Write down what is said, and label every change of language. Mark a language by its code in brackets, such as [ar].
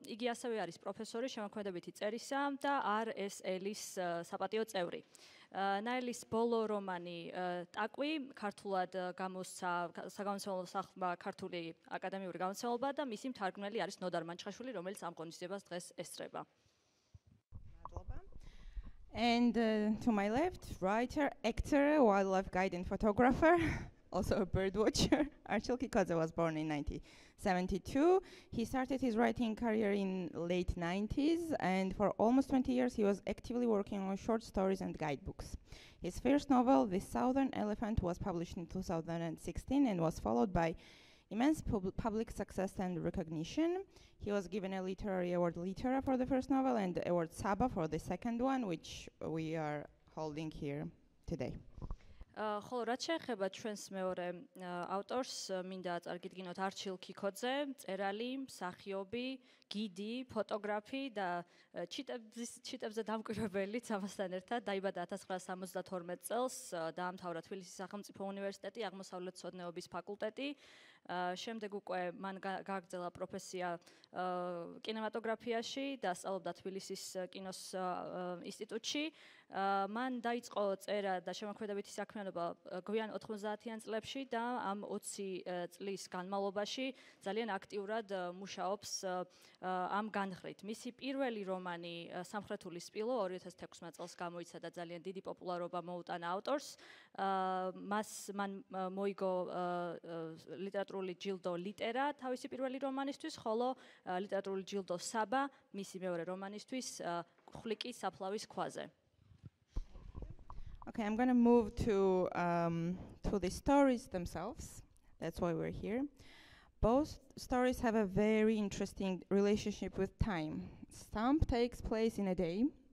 [ka] იგი ასევე არის პროფესორი შემოქმედებითი წერისა და RSL-ის საპატიო წევრი. ნაილის ბოლო რომანი „ტაკვი“ ქართულად გამოსცა საგამომცემლო სახლმა ქართული აკადემიური გამომცემლობა და მისი მთარგმნელი არის ნოდარ მანჩხაშვილი, რომელიც ამ ღონისძიებას დღეს ესწრება. [en] And to my left, writer, actor, wildlife guide and photographer, also a bird watcher, Archil Kikodze was born in 1972. He started his writing career in late 90s, and for almost 20 years he was actively working on short stories and guidebooks. His first novel, The Southern Elephant, was published in 2016 and was followed by immense public success and recognition. He was given a literary award Litera for the first novel and award Saba for the second one, which we are holding here today. [ka] ხოლო რაც შეეხება ჩვენს მეორე ავტორს, მინდა წარგიდგინოთ არჩილ კიკოძე, მწერალი, მსახიობი, გიდი, ფოტოგრაფი და ჩიტებზე დამკვირვებელიც ამასთან ერთად. დაიბადა 1972 წელს, დაამთავრა თბილისის სახელმწიფო უნივერსიტეტი, აღმოსავლეთმცოდნეობის ფაკულტეტი, შემდეგ უკვე მან გააგრძელა პროფესია კინემატოგრაფიაში და სწავლობდა თბილისის კინოს ინსტიტუტში. Man დაიწყო წერა და შემოქმედებითი საქმიანობა გვიან 90-იან წლებში და ამ 20 წლის განმავლობაში ძალიან აქტიურად მუშაობს ამ განხრით. Მისი პირველი რომანი სამხრეთული სპილო 2016 წელს გამოიცა და ძალიან დიდი პოპულარობა მოუტანა ავტორს. Მას მან მოიგო ლიტერატურული ჯილდო ლიტერა თავისი პირველი რომანისთვის, ხოლო ლიტერატურული ჯილდო საბა მისი მეორე რომანისთვის ხვლიკი საფლავის ქვაზე. [en] Okay, I'm going to move to the stories themselves. That's why we're here. Both stories have a very interesting relationship with time. Stump takes place in a day.